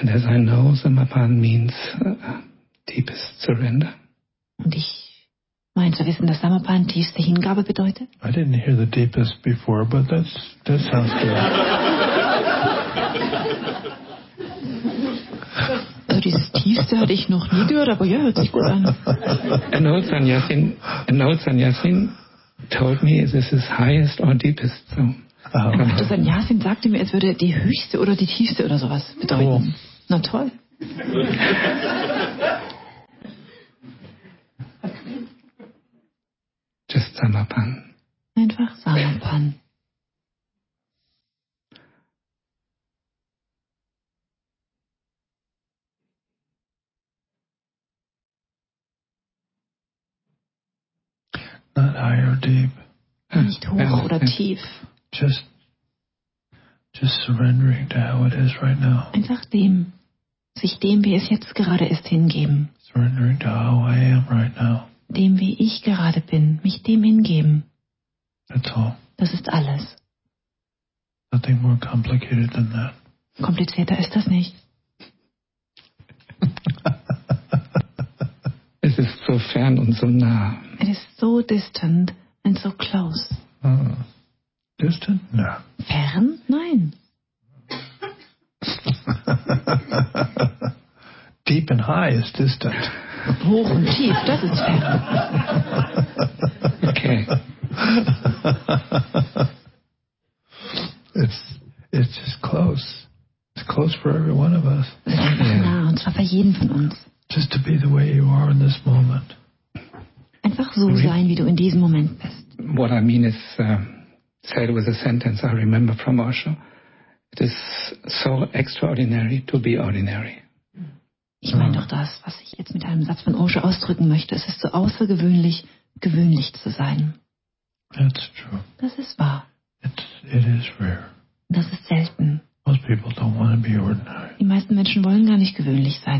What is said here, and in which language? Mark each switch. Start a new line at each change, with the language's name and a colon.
English: And as I know, Samapan means deepest surrender.
German: Und ich meine zu wissen, dass Samapan tiefste Hingabe bedeutet.
English: I didn't hear the deepest before, but that sounds good.
German: Dieses Tiefste hatte ich noch nie gehört, aber ja, hört sich gut an.
English: An old Sanyasin, told me this is highest or deepest. So.
German: Der Sanyasin sagte mir, es würde die höchste oder die tiefste oder sowas bedeuten. Oh. Na toll.
English: Just Samapan.
German: Einfach Samapan.
English: Not high or deep.
German: Nicht hoch oder tief.
English: Just surrendering to how it is right now.
German: Einfach dem, sich dem, wie es jetzt gerade ist, hingeben.
English: Surrendering to how I am right now.
German: Dem, wie ich gerade bin, mich dem hingeben.
English: That's all.
German: Das ist alles.
English: Nothing more complicated than that.
German: Komplizierter ist das nicht. Es ist so fern und so nah.
English: It is so distant and so close. Distant? No.
German: Fern? Nein.
English: Deep and high is distant.
German: Hoch und tief, das ist fern.
English: Okay. It's just close. It's close for every one of us.
German: Nah, und zwar für jeden von uns.
English: Just to be the way you are in this moment.
German: Einfach so sein, wie du in diesem Moment bist.
English: What I mean is, said with a sentence I remember from Osho, it is so extraordinary to be ordinary.
German: Ich meine doch das, was ich jetzt mit einem Satz von Osho ausdrücken möchte. Es ist so außergewöhnlich, gewöhnlich zu sein.
English: That's true.
German: Das ist wahr.
English: It is rare.
German: Das ist selten.
English: Most people don't want to be ordinary.
German: Die meisten Menschen wollen gar nicht gewöhnlich sein.